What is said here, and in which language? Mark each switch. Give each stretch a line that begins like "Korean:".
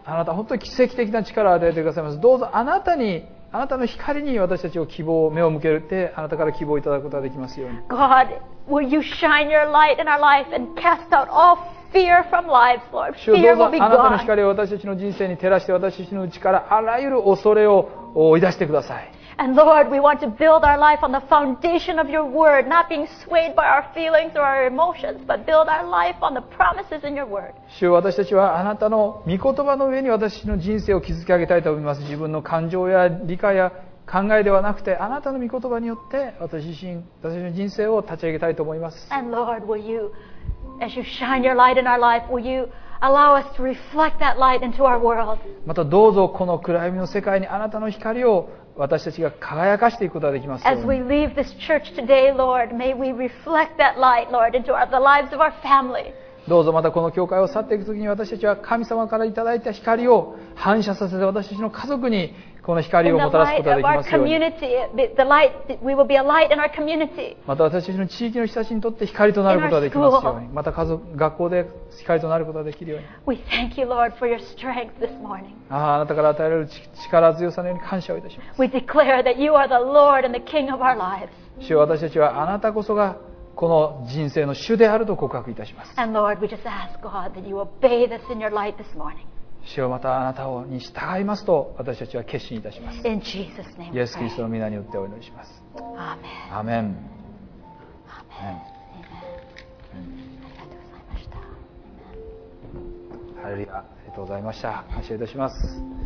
Japanese: あなた本当に奇跡的な力を与えてくださいます。どうぞあなたにあなたの光に私たちを希望を目を向けてあなたから希望をいただくことができますように。
English: God, will you shine your light in our life and cast out all fear from lives, Lord? Fear will be gone.
Japanese: どうぞあなたの光を私たちの人生に照らして私たちのうちからあらゆる恐れを追い出してください。
English: And Lord, we want to build our life on the foundation of your word, not being swayed by our feelings or our emotions, but build our life on the promises in your word.
Japanese: 主よ、私たちはあなたの御言葉の上に私の人生を築き上げたいと思います。自分の感情や理解や考えではなくて、あなたの御言葉によって私の人生を立ち上げたいと思います。
English: And Lord, will you, as you shine your light in our life, will you allow us to reflect that light into our world?
Japanese: またどうぞこの暗闇の世界にあなたの光を私たちが輝かしていくことができますように。
English: As we leave this church today, Lord, may we reflect that light, Lord, into the lives of our family.
Japanese: どうぞまたこの教会を去っていくときに私たちは神様からいただいた光を反射させて私たちの家族にこの光をもたらすことができますように。
English: In the light of our community, the light, we will be a light in our community.
Japanese: また私たちの地域の人たちにとって光となることができますように。また家族、学校で光となることができるように。
English: We thank you, Lord, for your strength this morning.
Japanese: あなたから与えられる力強さのように感謝をいたします。
English: We declare that you are the Lord and the King of our lives.
Japanese: 主よ、私たちはあなたこそがこの人生の主であると告白いたします。
English: And Lord, we just ask God that you will bathe us in your light this morning.
Japanese: 主よ、またあなたに従いますと私たちは決心いたします。
English: In Jesus' name.
Japanese: イエス・キリストの御名によってお祈りします。アーメン。アーメン。アーメン。ありがとうございました。ハレルヤ、ありがとうございました。感謝いたします。